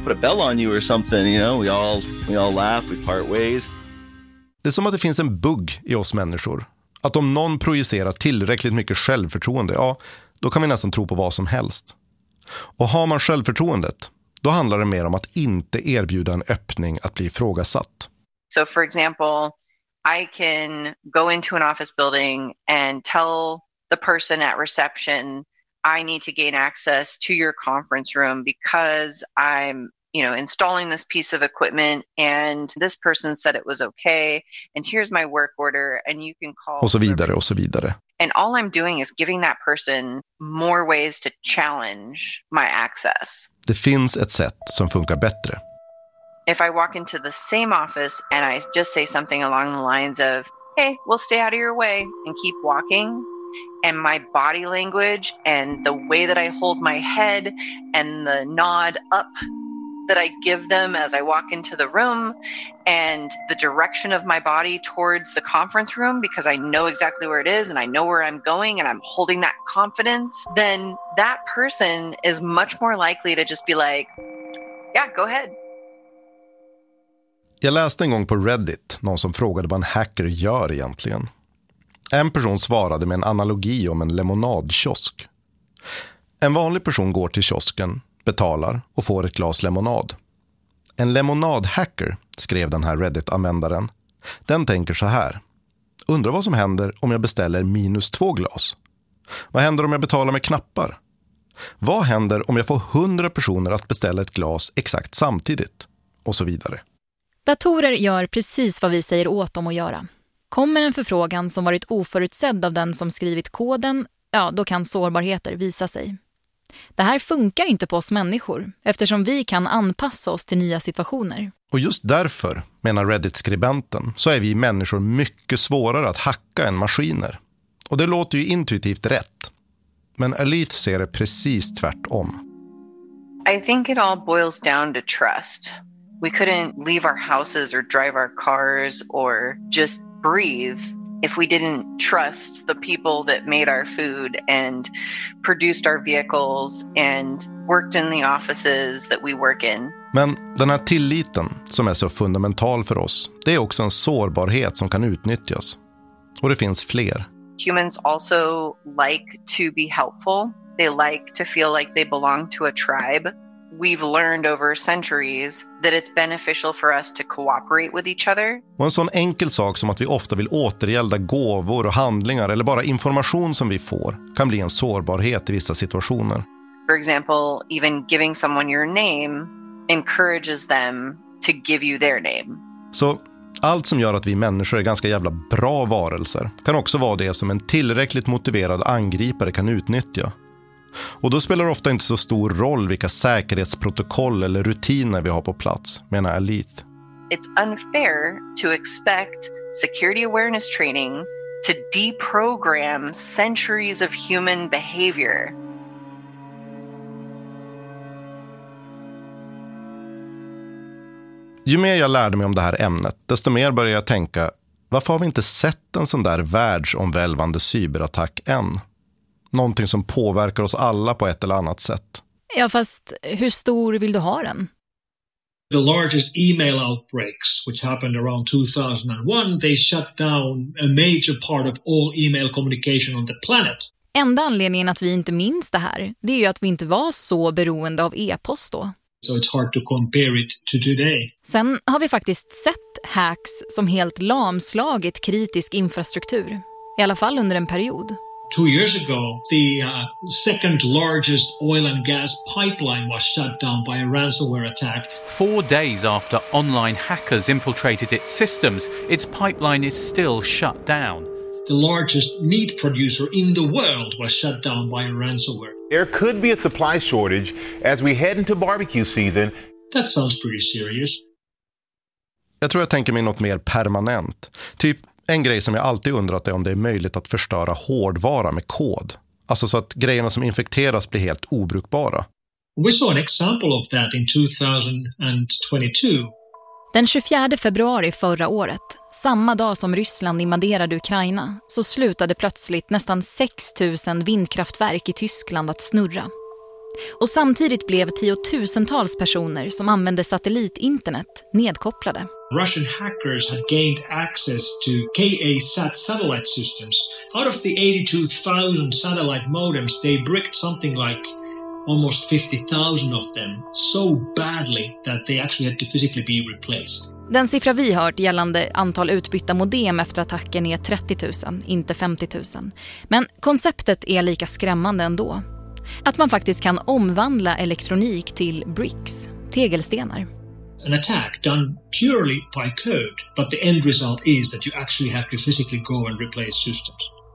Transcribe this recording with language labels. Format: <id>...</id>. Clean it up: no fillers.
<en>You put a bell on you or something, you know? We all laugh, we part ways.</en> <sv>Det är som att det finns en bugg i oss människor. Att om någon projicerar tillräckligt mycket självförtroende, ja, då kan vi nästan tro på vad som helst. Och har man självförtroendet, då handlar det mer om att inte erbjuda en öppning att bli ifrågasatt.</sv> <en>So for example, I can go into an office building and tell the person at reception, I need to gain access to your conference room because I'm, you know, installing this piece of equipment and this person said it was okay and here's my work order and you can call</en> <sv>och så vidare och så vidare.</sv> <en>And all I'm doing is giving that person more ways to challenge my access.</en> <sv>Det finns ett sätt som funkar bättre.</sv> <en>If I walk into the same office and I just say something along the lines of, hey, we'll stay out of your way and keep walking. And my body language and the way that I hold my head and the nod up that I give them as I walk into the room and the direction of my body towards the conference room because I know exactly where it is and I know where I'm going and I'm holding that confidence, then that person is much more likely to just be like, yeah, go ahead.</en> <sv>Jag läste en gång på Reddit någon som frågade vad en hacker gör egentligen. En person svarade med en analogi om en lemonadkiosk. En vanlig person går till kiosken, betalar och får ett glas lemonad. En lemonadhacker, skrev den här Reddit-användaren. Den tänker så här. Undrar vad som händer om jag beställer minus två glas? Vad händer om jag betalar med knappar? Vad händer om jag får 100 personer att beställa ett glas exakt samtidigt? Och så vidare. Datorer gör precis vad vi säger åt dem att göra. Kommer en förfrågan som varit oförutsedd av den som skrivit koden, ja, då kan sårbarheter visa sig. Det här funkar inte på oss människor, eftersom vi kan anpassa oss till nya situationer. Och just därför, menar Reddit-skribenten, så är vi människor mycket svårare att hacka än maskiner. Och det låter ju intuitivt rätt. Men Alith ser det precis tvärtom.</sv> <en>I think it all boils down to trust. We couldn't leave our houses or drive our cars or just breathe if we didn't trust the people that made our food and produced our vehicles and worked in the offices that we work in.</en> <sv>Men den här tilliten som är så fundamental för oss, det är också en sårbarhet som kan utnyttjas. Och det finns fler.</sv> <en>Humans also like to be helpful. They like to feel like they belong to a tribe. We've learned over centuries that it's beneficial for us to cooperate with each other.</en> <sv>Och en sån enkel sak som att vi ofta vill återgälda gåvor och handlingar eller bara information som vi får kan bli en sårbarhet i vissa situationer.</sv> <en>For example, even giving someone your name encourages them to give you their name.</en> <sv>Så allt som gör att vi människor är ganska jävla bra varelser kan också vara det som en tillräckligt motiverad angripare kan utnyttja. Och då spelar det ofta inte så stor roll vilka säkerhetsprotokoll eller rutiner vi har på plats, menar Alith.</sv> <en>It's unfair to expect security awareness training to deprogram centuries of human behavior.</en> <sv>Ju mer jag lärde mig om det här ämnet, desto mer började jag tänka, varför har vi inte sett en sån där världsomvälvande cyberattack än? Någonting som påverkar oss alla på ett eller annat sätt. Ja, fast hur stor vill du ha den?</sv> <en>The largest email outbreaks, which happened around 2001, they shut down a major part of all email communication on the planet.</en> <sv>Enda anledningen att vi inte minns det här, det är ju att vi inte var så beroende av e-post då.</sv> <en>So it's hard to compare it to today.</en> <sv>Sen har vi faktiskt sett hacks som helt lamslagit kritisk infrastruktur. I alla fall under en period.</sv> <en>2 years ago, the second largest oil and gas pipeline was shut down by a ransomware attack. 4 days after online hackers infiltrated its systems, its pipeline is still shut down. The largest meat producer in the world was shut down by a ransomware. There could be a supply shortage as we head into barbecue season. That sounds pretty serious.</en> <sv>Jag tror jag tänker mig något mer permanent. Typ en grej som jag alltid undrat är om det är möjligt att förstöra hårdvara med kod. Alltså så att grejerna som infekteras blir helt obrukbara.</sv> <en>We saw an example of that in 2022.</en> <sv>Den 24 februari förra året, samma dag som Ryssland invaderade Ukraina, så slutade plötsligt nästan 6000 vindkraftverk i Tyskland att snurra. Och samtidigt blev tiotusentals personer som använde satellitinternet nedkopplade.</sv> <en>Russian hackers had gained access to KA-SAT satellite systems. Out of the 82,000 satellite modems, they bricked something like almost 50,000 of them so badly that they actually had to physically be replaced.</en> <sv>Den siffra vi hört gällande antal utbytta modem efter attacken är 30 000, inte 50 000. Men konceptet är lika skrämmande ändå. Att man faktiskt kan omvandla elektronik till bricks, tegelstenar.</sv> <en>An attack done purely by code, but the end result is that you actually have to physically go and replace systems.</en>